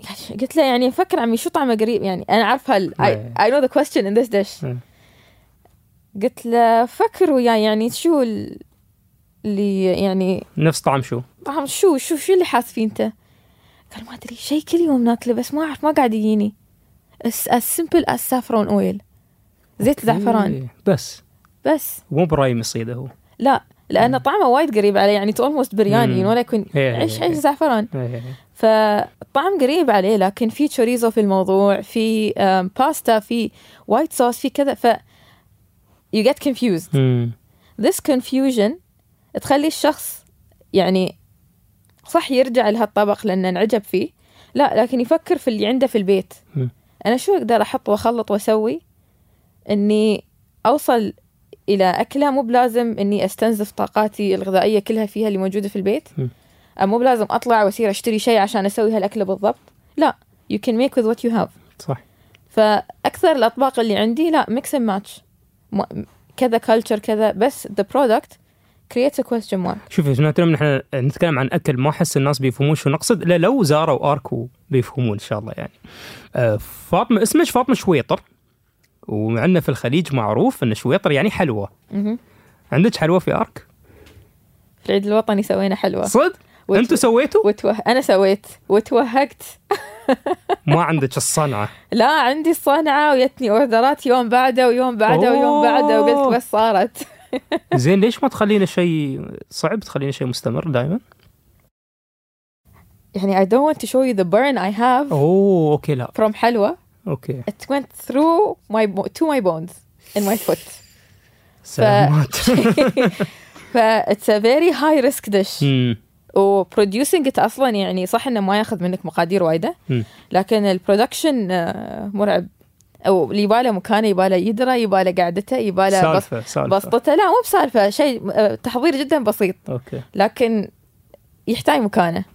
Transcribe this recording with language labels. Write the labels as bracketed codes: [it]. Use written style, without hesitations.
[ar] قلت له يعني فكر عمي شو طعمه قريب، يعني أنا عارف هال [en] I know the question in this dish. [ar] قلت له فكر ويا يعني شو اللي يعني نفس طعم شو طعم شو اللي حاس فيه أنت؟ قال ما أدري شيء كل يوم ناكله بس ما أعرف ما قاعد يجيني. [en] As simple as saffron oil. [ar] زيت الزعفران. بس. مو براي مصيده هو. لا. لأن طعمه وايد قريب عليه. يعني [en] it's almost [ar] برياني. ولا يكون عيش زعفران. فطعم قريب عليه. لكن في تشوريزو في الموضوع. في باستا. في وايت صوص. في كذا. ف [en] you get confused. This confusion [ar] تخلي الشخص يعني صح يرجع لهالطبق لأنه انعجب فيه، لا، لكن يفكر في اللي عنده في البيت. أنا شو أقدر أحط وأخلط وأسوي أني أوصل إلى أكلة، مو بلازم أني أستنزف طاقاتي الغذائية كلها فيها اللي موجودة في البيت، مو بلازم أطلع وأسير أشتري شيء عشان أسوي هالأكلة بالضبط. [en] لا، you can make with what you have. [ar] صح. فأكثر الأطباق اللي عندي لا [en] mix and match، كذا culture كذا، بس the product create a question mark. [ar] شوف إذا نتكلم نحن نتكلم عن أكل، ما أحس الناس بيفهمون شو نقصد، لا لو زاروا أركو بيفهمون إن شاء الله. يعني فاطمة، اسمك فاطمة شويطر، وعندنا في الخليج معروف إن شويطر يعني حلوة. عندك حلوة في أرك؟ في العيد الوطني سوينا حلوة. صد؟ أنتوا سويتوا؟ أنا سويت وتوهقت. ما عندك الصنعة؟ لا عندي الصنعة، ويتني أوردرات يوم بعده ويوم بعده ويوم بعده، وقلت بس صارت. زين ليش ما تخلينا شيء صعب، تخلينا شيء مستمر دائما؟ [en] يعني I don't want to show you the burn I have. [ar] أوه أوكي، لا from حلوة. أوكي. [en] It went through my to my bones in my foot. [ar] سلامات. [en] It's a very high risk dish. [ar] و [en] producing it [ar] أصلا يعني صح إنه ما يأخذ منك مقادير وايدة، لكن البرودكشن مرعب. أو يباله مكانه، يباله يدرة، يباله قاعدته، يباله بسطته. لا مو بسالفة، شيء تحضير جدا بسيط. أوكي. لكن يحتاج مكانه.